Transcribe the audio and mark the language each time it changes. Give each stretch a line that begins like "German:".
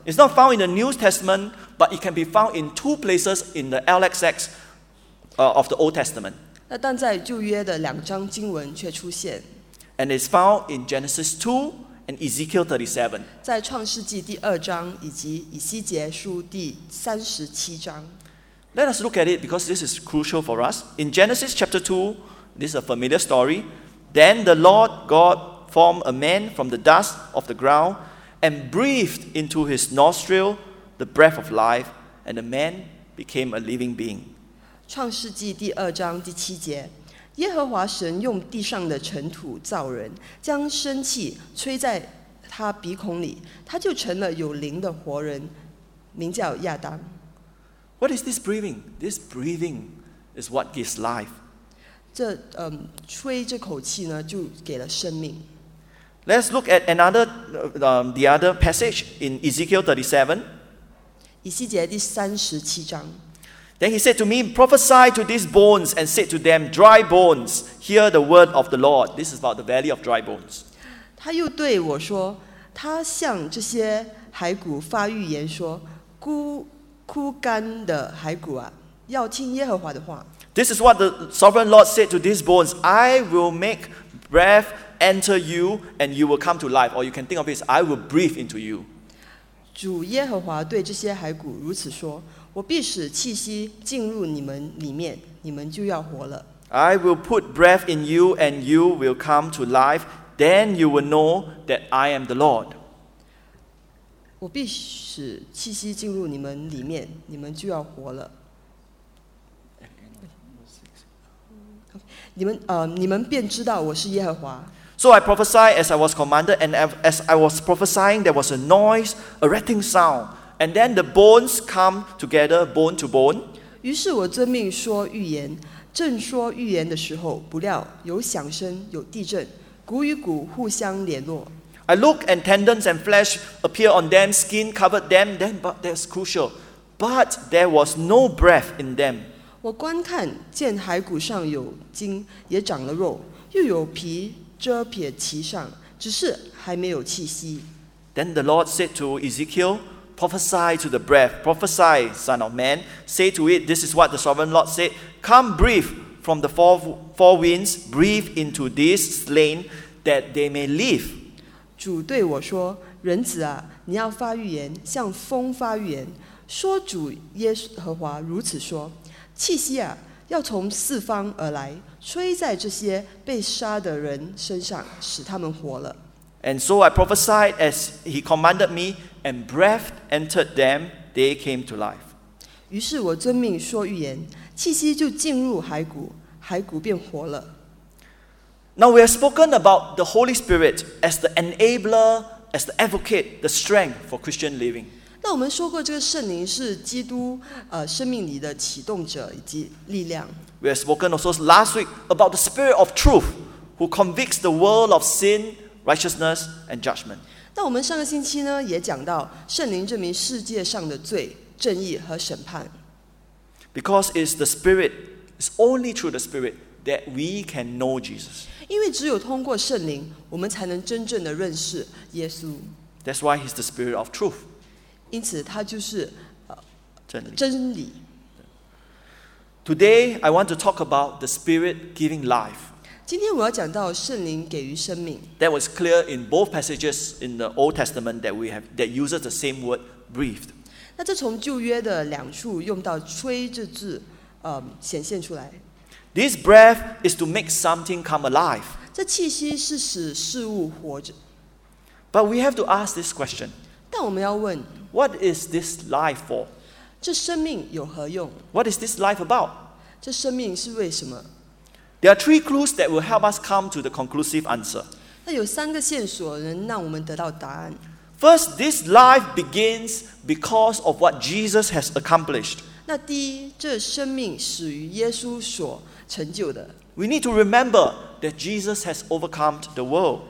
English: It's not found in the New Testament, but it can be found in two places in the LXX, of the Old Testament.
Chinese: 那但在旧约的两章经文却出现。
English: And it's found in Genesis 2 and Ezekiel 37.
Chinese: 在创世纪第二章以及以西结书第三十七章。
English: Let us look at it because this is crucial for us. In Genesis chapter 2, this is a familiar story. Then the Lord God formed a man from the dust of the ground and breathed into his nostril the breath of life, and the man became a living being.
Chinese: 创世纪第二章第七节，耶和华神用地上的尘土造人，将生气吹在他鼻孔里，他就成了有灵的活人，名叫亚当。
English: What is this breathing? This breathing is what gives life.
Chinese: 这吹这口气呢，就给了生命。
English: Let's look at another, the other passage in Ezekiel 37.
Chinese: 以西结第三十七章。
English: Then he said to me, prophesy to these bones and say to them, dry bones, hear the word of the Lord. This is about the valley of dry bones.
Chinese: 他又对我说，他向这些骸骨发预言说，枯干的骸骨啊，要听耶和华的话。
English: This is what the sovereign Lord said to these bones. I will make breath enter you, and you will come to life. Or you can think of this: I will breathe into you.
Chinese: 主耶和华对这些骸骨如此说：我必使气息进入你们里面，你们就要活了。
English: I will put breath in you, and you will come to life. Then you will know that I am the Lord.
Chinese: 我必使气息进入你们里面，你们就要活了。你们便知道我是耶和华。
English: So I prophesied as I was commanded, and as I was prophesying, there was a noise, a rattling sound, and then the bones come together, bone to bone.
Chinese: 于是我遵命说预言，正说预言的时候，不料有响声，有地震，骨与骨互相联络。
English: I look and tendons and flesh appear on them, skin covered them, then, but that's crucial. But there was no breath in them.
Chinese: 我观看见骸骨上有筋，也长了肉，又有皮遮撇其上，只是还没有气息。
English: Then the Lord said to Ezekiel, prophesy to the breath, prophesy, son of man, say to it, this is what the sovereign Lord said, come breathe from the four winds, breathe into this slain that they may live.
Chinese: 主对我说，人子啊，你要发预言，向风发预言，说主耶和华如此说，气息啊，要从四方而来，吹在这些被杀的人身上，使他们活了。
English: And so I prophesied as he commanded me, and breath entered them, they came to life.
Chinese: 于是我遵命说预言，气息就进入骸骨，骸骨便活了。
English: Now we have spoken about the Holy Spirit as the enabler, as the advocate, the strength for Christian living.
Chinese: 那我们说过这个圣灵是基督生命里的启动者以及力量。
English: We have spoken also last week about the Spirit of Truth, who convicts the world of sin, righteousness, and judgment.
Chinese: 那我们上个星期呢也讲到圣灵证明世界上的罪、正义和审判。
English: Because it's the Spirit, it's only through the Spirit. That we can know Jesus.
Chinese: 因为只有通过圣灵，我们才能真正的认识耶稣。
English: That's why he's the Spirit of Truth.
Chinese: 因此，他就是真理。真理。
English: Today, I want to talk about the Spirit giving life.
Chinese: 今天我要讲到圣灵给予生命。
English: That was clear in both passages in the Old Testament that we have that uses the same word, breathed.
Chinese: 那这从旧约的两处用到吹这字，显现出来。
English: This breath is to make something come alive.
Chinese: 这气息是使事物活着。
English: But we have to ask this question.
Chinese: 但我们要问。
English: What is this life for?
Chinese: 这生命有何用?
English: What is this life about?
Chinese: 这生命是为什么?
English: There are three clues that will help us come to the conclusive answer.
Chinese: 那有三个线索能让我们得到答案。
English: First, this life begins because of what Jesus has accomplished.
Chinese: 那第一,这生命始于耶稣所成就的。
English: We need to remember that Jesus has overcome the world.